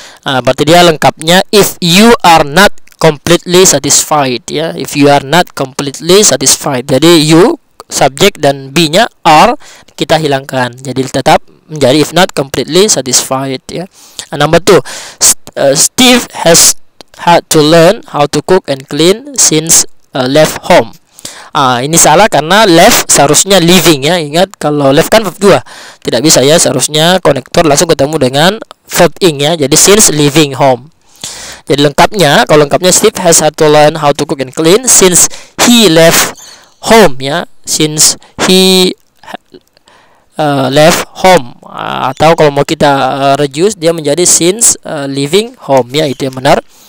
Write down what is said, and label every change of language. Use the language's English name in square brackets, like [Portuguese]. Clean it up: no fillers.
[Indonesian] Berarti dia lengkapnya [English] if you are not completely satisfied ya, if you are not completely satisfied. [Indonesian] Jadi you subject dan be nya are kita hilangkan, jadi tetap menjadi [English] if not completely satisfied [Indonesian] ya. [English] Number 2, Steve has had to learn how to cook and clean since left home. [Indonesian] Ini salah karena left seharusnya living ya. Ingat kalau left kan verb 2. Tidak bisa ya, seharusnya konektor langsung ketemu dengan verb ing ya. [English] Jadi since leaving home. [Indonesian] Jadi lengkapnya, kalau lengkapnya [English] Steve has had to learn how to cook and clean since he left home ya. Since he left home. [Indonesian] Atau kalau mau kita reduce, dia menjadi [English] since leaving home [Indonesian] ya, itu yang benar.